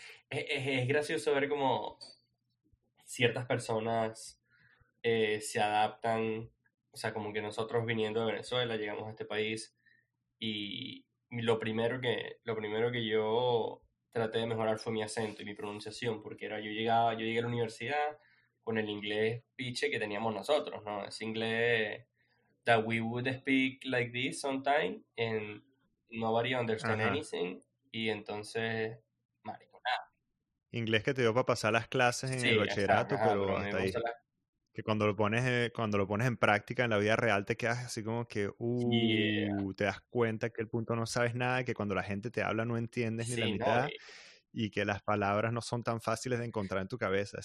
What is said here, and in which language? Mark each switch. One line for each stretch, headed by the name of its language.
Spanish: Es gracioso ver cómo ciertas personas se adaptan. O sea, como que nosotros viniendo de Venezuela, llegamos a este país y lo primero que yo... traté de mejorar fue mi acento y mi pronunciación, porque era yo llegué a la universidad con el inglés piche que teníamos nosotros, ¿no? Ese inglés
English: that we would speak like this sometime and nobody understand anything.
Spanish: Y entonces, marico, nada. Inglés que te dio para pasar las clases en el bachillerato, pero hasta ahí. Que cuando lo pones en práctica en la vida real te quedas así como que te das cuenta que el punto no sabes nada, que cuando la gente te habla no entiendes ni la mitad, y que las palabras no son tan fáciles de encontrar en tu cabeza.